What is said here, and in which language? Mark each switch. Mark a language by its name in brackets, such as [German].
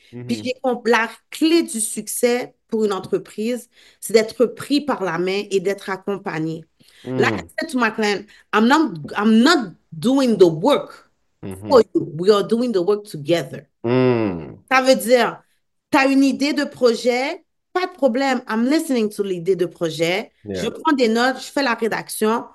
[French] Puis j'ai compris la clé du succès pour une entreprise, c'est d'être pris par la main et d'être accompagné. [English] Like I said to my client, I'm not doing the work for you. We are doing the work together. [French] Ça veut dire, tu as une idée de projet, pas de problème. [English] I'm listening to [French] l'idée de projet. Je prends des notes, je fais la rédaction.